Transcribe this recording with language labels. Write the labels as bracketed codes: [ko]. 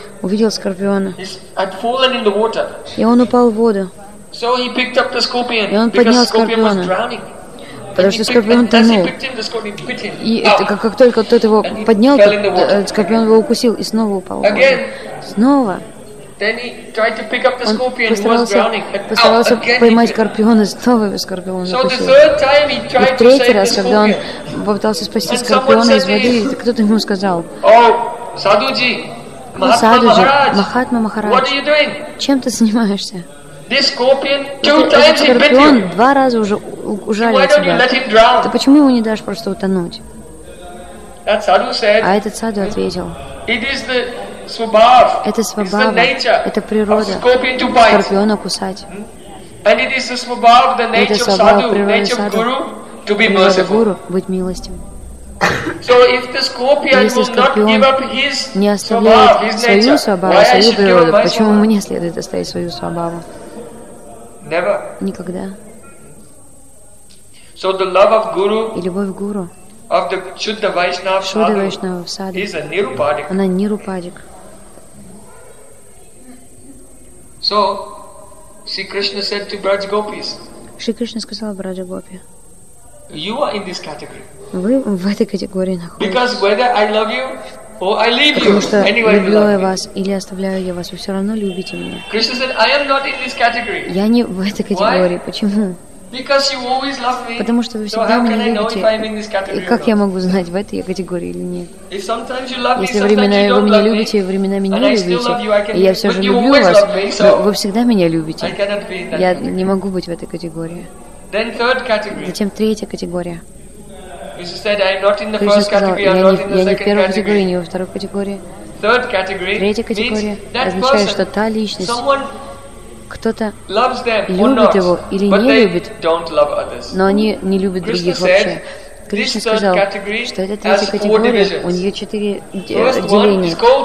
[ru] увидел скорпиона [en] had fallen in the water. [ru] И он упал в воду. [en] So he picked up the scorpion, [ru] и он поднял скорпиона, потому что скорпион тонул. И как только тот его поднял, скорпион его укусил и снова упал. [en] Again. [ru] Снова. [en] Then he tried to pick up the scorpion, [ru] он постарался поймать скорпиона, снова его скорпион укусил. И в третий раз, когда он попытался спасти скорпиона из воды, кто-то ему сказал, «О, садуджи, Махатма Махарадж, чем ты занимаешься?» [en] This scorpion two times bit you. [ru] Этот скорпион два раза уже ужалил тебя. [en] Why don't you let him drown? [ru] Ты почему ему не дашь просто утонуть? [en] That sadhu said. [ru] А этот саду ответил. [en] It is the swabhav. [ru] Это свобода. [en] It's the nature. [ru] Это природа. [en] Scorpion to bite. [ru] Скорпиона кусать. [en] And it is the swabhav, the nature [ru] свобода, [en] of sadhu, nature [ru] саду, [en] of guru, to be merciful. [ru] Гуру быть милостивым. [en] So if the scorpion will not give up his [ru] не оставляет свою свободу, свою природу, почему мне следует оставить свою свободу? [en] Never. [ru] Никогда. [en] So the love of guru, [ru] и любовь гуру, [en] of the Shuddha Vaishnav Shuddha Vaishnava Sadhu, is a nirupadik. [ru] Она нирупадик. [en] So, Sri Krishna said to Braj Gopis. [ru] Шри Кришна сказал Брадже Гопи. [en] You are in this category. [ru] Вы в этой категории находитесь. [en] Because whether I love you or I leave you, [ru] потому что люблю я вас или оставляю я вас, вы все равно любите меня. [en] Krishna said, I am not in this category. [ru] Я не в этой категории. Почему? [en] Because you always love me. [ru] Потому что вы всегда меня любите. И как я могу знать, в этой категории или нет? [en] If sometimes you love me, [ru] если временами [en] you don't [ru] вы меня любите, и временами не любите, и я все же люблю вас, вы всегда меня любите. Я не могу быть в этой категории. [en] Then third category. [ru] Затем третья категория. [en] Krishna said, I'm not in the first category, I'm not in the second category. [ru] Я не в первой категории, не во второй категории. [en] Third category. [ru] Третья категория означает, что та личность, кто-то [en] loves them, [ru] любит [en] not, [ru] его или не любит, но они не любят [en] Krishna [ru] других [en] said, [ru] вообще. Кришна сказал, что это третья категория, у нее четыре деления.